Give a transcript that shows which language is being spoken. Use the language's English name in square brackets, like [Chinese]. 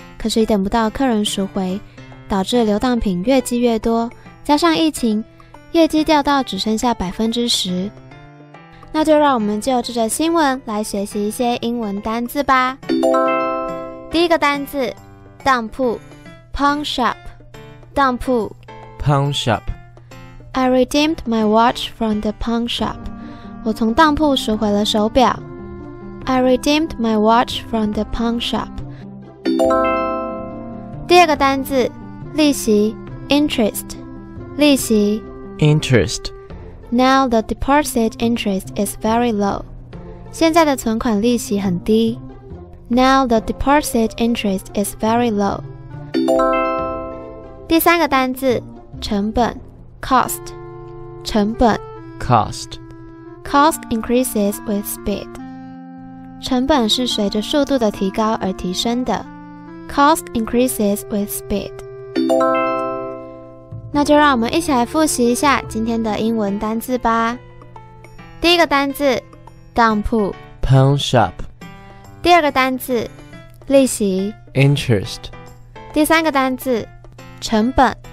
[Chinese] 可是等不到客人赎回，导致流当品越积越多，加上疫情，业绩掉到只剩下10%。那就让我们就这则新闻来学习一些英文单字吧。第一个单字，当铺 ，pawn shop， 当铺 [English] ，pawn shop。 I redeemed my watch from the pawn shop. [Chinese] 我从当铺赎回了手表。 [English] I redeemed my watch from the pawn shop. [Chinese] 第二个单字，利息 ，interest， 利息 [English] ，interest。 Now the deposit interest is very low. [Chinese] 现在的存款利息很低。 [English] Now the deposit interest is very low. [Chinese] 第三个单字，成本。Cost， 成本。 [English] Cost， cost increases with speed. [Chinese] 成本是随着速度的提高而提升的。 [English] Cost increases with speed. [Chinese] 那就让我们一起来复习一下今天的英文单字吧。第一个单字，当铺。 [English] Pawn shop. [Chinese] 第二个单字，利息。 [English] Interest. [Chinese] 第三个单字，成本。